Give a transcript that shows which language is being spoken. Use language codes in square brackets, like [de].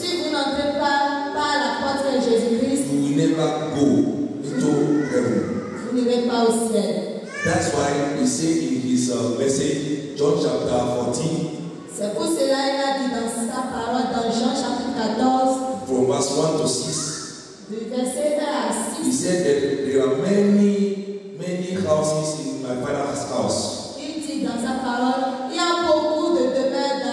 [fr] si vous n'entrez pas par la porte de Jésus Christ, [en] you will never go into heaven. [fr] Vous n'irez pas au ciel. [en] That's why he said in his message, John chapter 14. [fr] C'est pour cela qu'il a dit dans sa parole dans Jean chapitre 14. [en] From verse 1 to 6. [fr] Du verset 1 à 6. [en] He said that there are many, many houses in my father's house. [fr] Il dit dans sa parole, il y a beaucoup de demeures.